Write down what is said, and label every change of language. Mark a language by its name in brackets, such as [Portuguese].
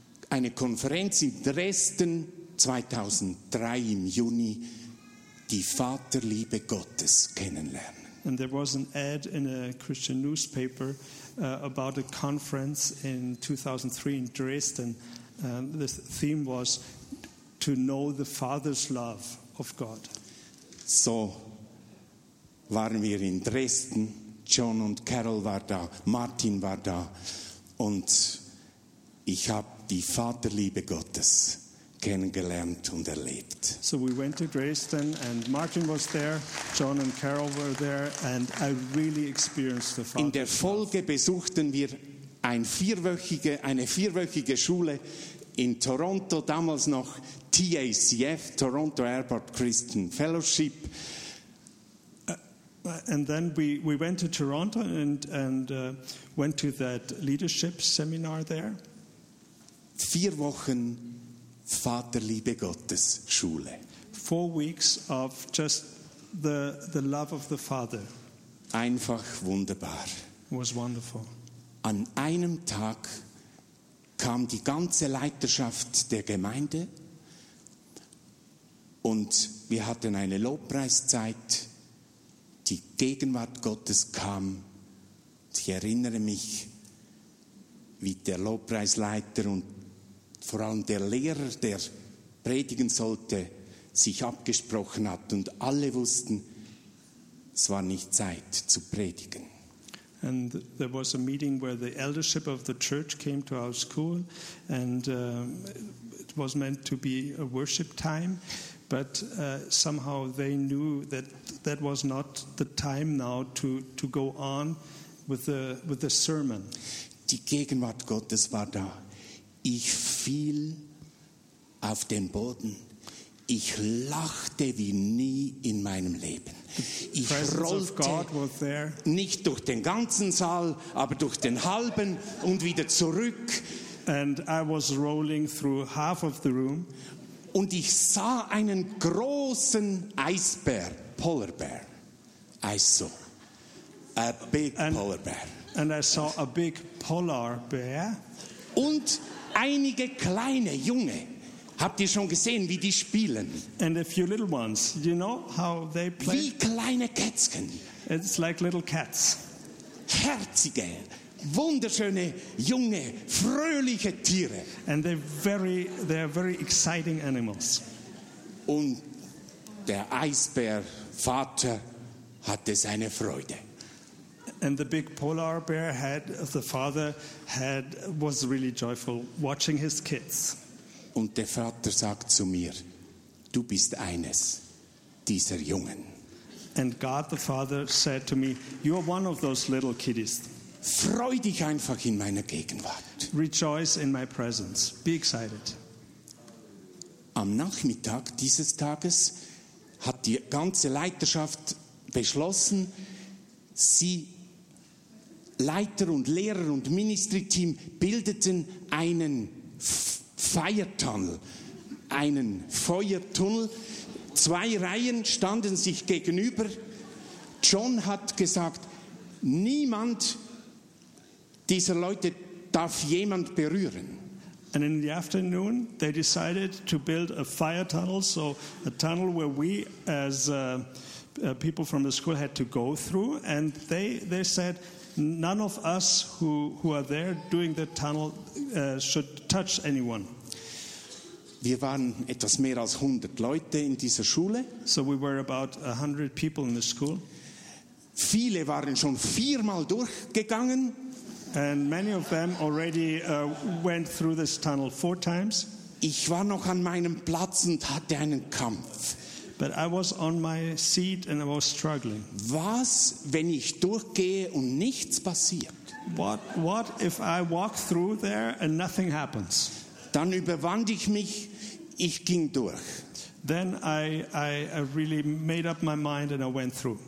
[German] Eine Konferenz in Dresden 2003 im Juni, die Vaterliebe Gottes kennenlernen. [English] And there was an ad in a Christian newspaper about a conference in 2003 in Dresden. The theme was to know the Father's love of God. [German] So waren wir in Dresden. John und Carol war da, Martin war da und ich habe die Vaterliebe Gottes kennengelernt und erlebt. [English] So we went to Dresden and Martin was there, John and Carol were there and I really experienced the Father. [German] In der Folge besuchten wir eine vierwöchige Schule in Toronto, damals noch TACF, Toronto Airport Christian Fellowship. [English] And then we went to Toronto and went to that leadership seminar there. [German] 4 Wochen Vaterliebe Gottes Schule. [English] 4 weeks of just the love of the Father. [German] Einfach wunderbar. [English] It was wonderful. [German] An einem Tag kam die ganze Leiterschaft der Gemeinde und wir hatten eine Lobpreiszeit. Die Gegenwart Gottes kam. Ich erinnere mich, wie der Lobpreisleiter und vor allem der Lehrer, der predigen sollte, sich abgesprochen hat. Und alle wussten, es war nicht Zeit zu predigen. [English] And there was a meeting where the eldership of the church came to our school. And it was meant to be a worship time. But somehow they knew that was not the time now to go on with the sermon. [German] Die Gegenwart Gottes war da. Ich fiel auf den Boden. Ich lachte wie nie in meinem Leben. Ich rollte nicht durch den ganzen Saal, aber durch den halben und wieder zurück. [English] And I was rolling through half of the room. [German] Und ich sah einen großen Eisbär, [English] Polar Bear. I saw a big polar bear. And I saw a big polar bear. [German] Und einige kleine Junge. Habt ihr schon gesehen, wie die spielen? [English] And a few little ones. You know how they play? [German] Wie kleine Kätzchen. [English] It's like little cats. [German] Herzige, wunderschöne, junge, fröhliche Tiere. [English] And they're very exciting animals. [German] Und der Eisbär Vater hatte seine Freude. [English] And the big polar bear had the father had was really joyful watching his kids. [German] Und der Vater sagt zu mir, du bist eines dieser Jungen. [English] And God the Father said to me, you are one of those little kiddies. [German] Freu dich einfach in meiner Gegenwart. [English] Rejoice in my presence. Be excited. [German] Am Nachmittag dieses Tages hat die ganze Leiterschaft beschlossen, sie Leiter und Lehrer und Ministry-Team bildeten einen Feuertunnel, einen Feuertunnel. 2 Reihen standen sich gegenüber. John hat gesagt, niemand dieser Leute darf jemand berühren. [English] And in the afternoon, they decided to build a fire tunnel, so a tunnel where we as people from the school had to go through, and they said, none of us who are there doing the tunnel should touch anyone. [German] Wir waren etwas mehr als 100 Leute in dieser Schule. [English] So we were about 100 people in the school. [German] Viele waren schon viermal durchgegangen. [English] And many of them already went through this tunnel four times. [German] Ich war noch an meinem Platz und hatte einen Kampf. [English] But I was on my seat and I was struggling. [German] Was, wenn ich durchgehe und nichts passiert? [English] What if I walk through there and nothing happens? [German] Dann überwand ich mich, ich ging durch. [English] Then I really made up my mind and I went through.